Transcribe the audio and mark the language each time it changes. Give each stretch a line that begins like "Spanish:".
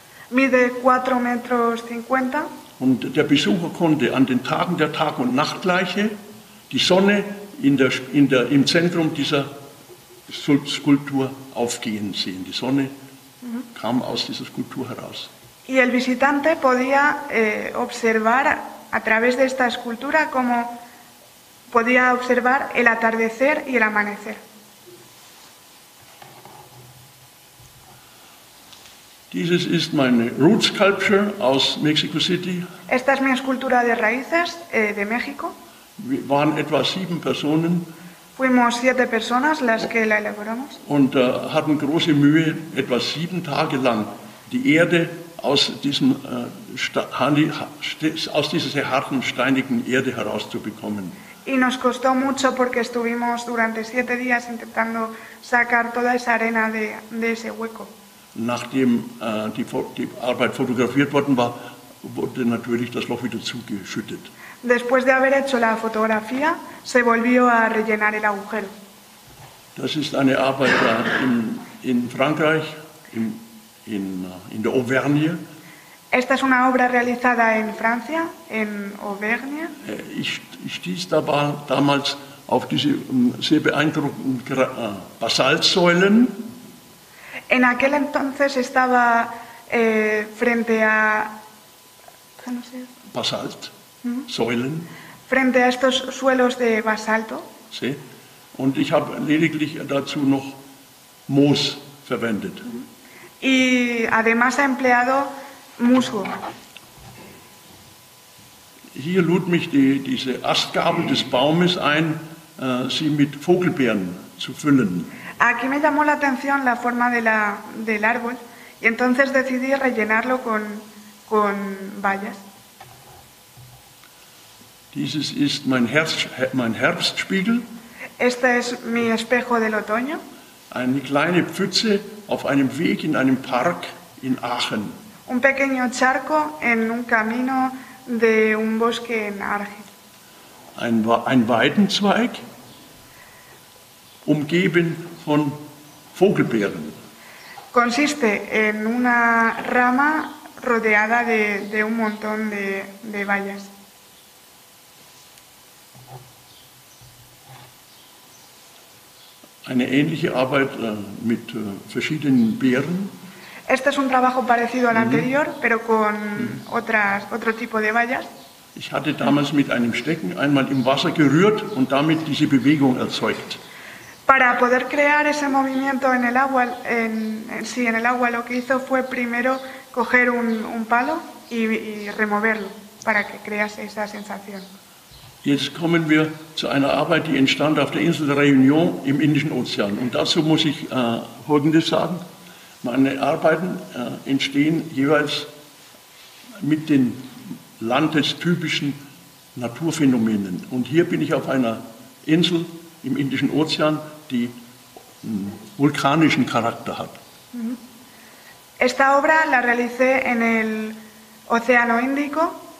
Spanish: Mide 4,50 Meter.
German: Und der Besucher konnte an den Tagen der Tag- und Nachtgleiche die Sonne im Zentrum dieser Skulptur aufgehen sehen. Die Sonne kam aus dieser Skulptur heraus.
Spanish: Y el visitante podía observar a través de esta escultura como podía observar el atardecer y el amanecer.
German: Dieses ist meine
English: root sculpture
German: aus Mexico City.
Spanish: Esta es mi escultura de raíces de México.
German: Wir waren etwa 7 Personen.
Spanish: Fuimos 7 personas las que la elaboramos.
German: Und hatten große Mühe, etwa 7 Tage lang die Erde aus dieser sehr harten, steinigen Erde herauszubekommen.
Spanish: Y nos costó mucho porque estuvimos durante 7 días intentando sacar toda esa arena de ese hueco.
German: Nachdem die Arbeit fotografiert worden war, wurde natürlich das Loch wieder zugeschüttet.
Spanish: Después de haber hecho la fotografía, se volvió a rellenar el agujero.
German: Das ist eine Arbeit in Frankreich, in der Auvergne.
Spanish: Esta es una obra realizada en Francia, en Auvergne.
German: Ich stieß damals auf diese sehr beeindruckenden Basaltsäulen.
Spanish: En aquel entonces estaba frente a...
German: Basalt. Säulen.
Spanish: Frente a estos suelos de basalto. Sí.
German: Und ich habe lediglich dazu noch Moos verwendet.
Spanish: Y además ha empleado musgo.
German: Hier lud mich diese Astgabel des Baumes ein, sie mit Vogelbeeren zu füllen.
Spanish: Aquí me llamó la atención la forma del árbol y entonces decidí rellenarlo con bayas.
German: Dieses ist mein Herbstspiegel.
Spanish: Este es mi espejo del otoño.
German: Eine kleine Pfütze auf einem Weg in einem Park in Aachen.
Spanish: Un pequeño charco en un camino de un bosque en Argel.
German: Ein Weidenzweig umgeben von Vogelbeeren.
Spanish: Consiste en una rama rodeada de un montón de bayas.
German: Eine ähnliche Arbeit mit verschiedenen Beeren.
Spanish: Este es un trabajo parecido al anterior, pero con otro tipo de bayas.
German: Ich hatte damals mit einem Stecken einmal im Wasser gerührt und damit diese Bewegung erzeugt.
Spanish: Para poder crear ese movimiento en el agua, en el agua, lo que hizo fue primero coger un palo y removerlo para que crease esa sensación.
German: Jetzt kommen wir zu einer Arbeit, die entstand auf der Insel der Réunion im Indischen Ozean. Und dazu muss ich Folgendes sagen. Meine Arbeiten entstehen jeweils mit den landestypischen Naturphänomenen. Und hier bin ich auf einer Insel im Indischen Ozean, die einen vulkanischen Charakter hat.
Spanish: Esta obra la realicé en el Océano Índico.